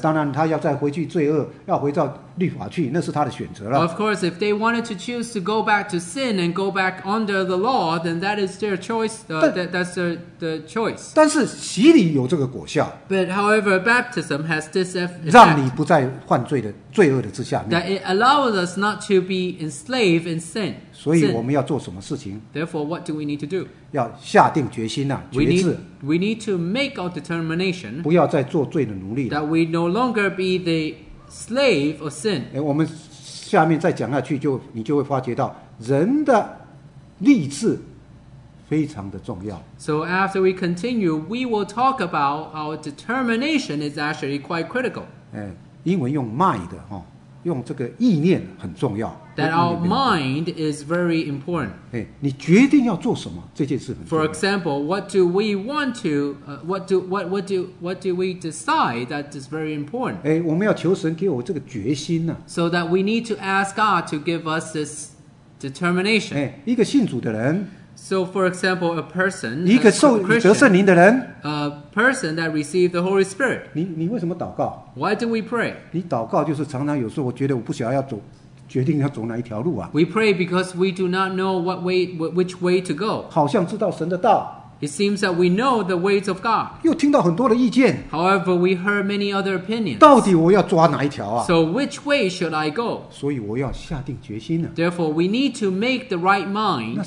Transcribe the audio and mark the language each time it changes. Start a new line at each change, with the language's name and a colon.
Chinese: 当然，他要再回去罪恶，要回到律法去，那是他的选择了。
English: Of course, if they wanted to choose to go back to sin and go back under the law, then that is their choice. That's the choice.
Chinese: 但是洗礼有这个果效。
English: But however, baptism has this effect.
Chinese: 让你不再犯罪。罪恶的之下面
English: that it allows us not to be enslaved in sin.
Chinese: 所以我们要做什么事情
English: Therefore, what do we need to do?
Chinese: 要下定决心啊，决志。
English: We need to make our determination.
Chinese: 不要再做罪的奴隶。
English: That we no longer be the slave of sin.
Chinese: 我们下面再讲下去，你就会发觉到人的立志非常的重要。
English: So after we continue, we will talk about our determination is actually quite critical.
Chinese: 英文用 mind 用这个意念很重要
English: That our mind is very important
Chinese: 你决定要做什么这件事很重要
English: For example, what do we want to what do we decide that is very important
Chinese: 我们要求神给我这个决心、啊、
English: So that we need to ask God to give us this determination
Chinese: 一个信主的人
English: So for example, a person
Chinese: 一个受得圣灵的人
English: A person that received the Holy Spirit.
Chinese: 你为什么祷告?
English: Why do we pray?
Chinese: 你祷告就是常常有时候我觉得我不想要走，决定要走哪一条路啊。
English: We pray because we do not know what way, which way to go.
Chinese: 好像知道神的道。
English: It seems that we know the ways of God.
Chinese: 又听到很多的意见。
English: However, we heard many other opinions.
Chinese: 到底我要抓哪一条啊?
English: So which way should I go?
Chinese: 所以我要下定决心了。
English: Therefore, we need to make the right mind.